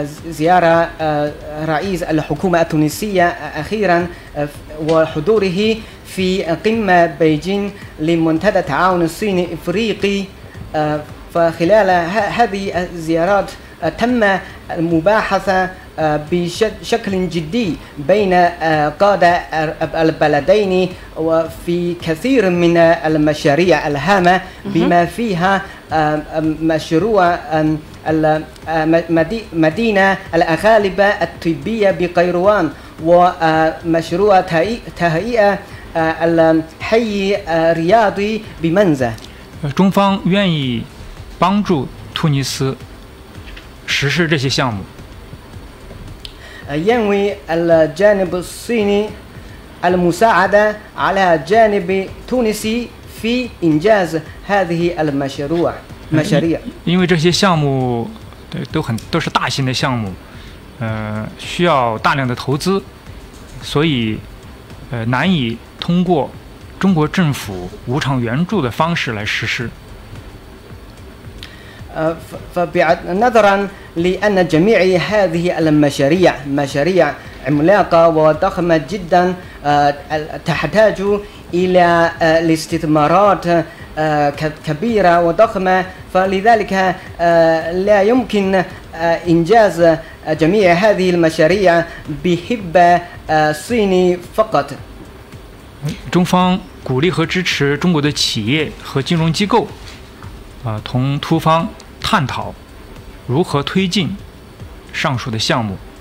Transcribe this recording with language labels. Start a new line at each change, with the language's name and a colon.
Arabic: زيارة رئيس الحكومة التونسية أخيرا وحضوره في قمة بيجين لمنتدى التعاون الصيني الإفريقي فخلال هذه الزيارات تم المباحثة بشكل جدي بين قادة البلدين وفي كثير من المشاريع الهامة بما فيها مشروع مدينة الأغالبة الطبية بقيروان ومشروع تهيئة الحي الرياضي بمنزة.
Chinese: 中方愿意帮助突尼斯实施这些项目。因为
Arabic: الجانب الصيني المساعدة على جانب تونسي في إنجاز هذه المشروع.
Chinese: 因为这些项目都是大型的项目，需要大量的投资，所以难以通过中国政府无偿援助的方式来实施。
Arabic: فبنظرا لأن جميع هذه المشاريع مشاريع عملاقة وضخمة جدا تحتاج إلى الاستثمارات كبيرة وضخمة فلذلك لا يمكن إنجاز جميع هذه المشاريع بهبة صيني فقط.
Chinese: 中方鼓励和支持中国的企业和金融机构，同突方探讨如何推进上述的项目。